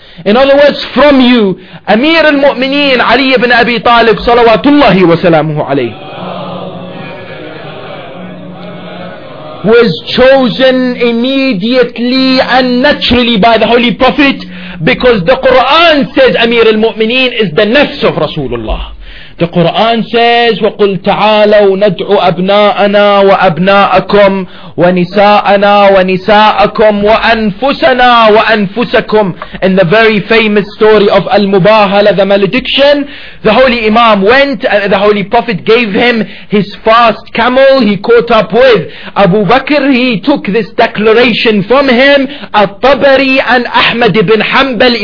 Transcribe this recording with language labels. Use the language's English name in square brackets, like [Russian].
[English] In other words, from you, Amir al-Mu'mineen Ali ibn Abi Talib, salawatullahi wa salamuhu alayhi, was chosen immediately and naturally by the Holy Prophet, because the Quran says Amir al-Mu'mineen is the nafs of Rasulullah. The Quran says, [Arabic] وَقُلْ تَعَالَوْ نَدْعُ أَبْنَاءَنَا وَأَبْنَاءَكُمْ وَنِسَاءَنَا وَنِسَاءَكُمْ وَأَنفُسَنَا وَأَنفُسَكُمْ. [English] In the very famous story of Al-Mubahala, the malediction, the Holy Imam went, the Holy Prophet gave him his fast camel, he caught up with Abu Bakr, he took this declaration from him, At-Tabari and Ahmad ibn Hanbal.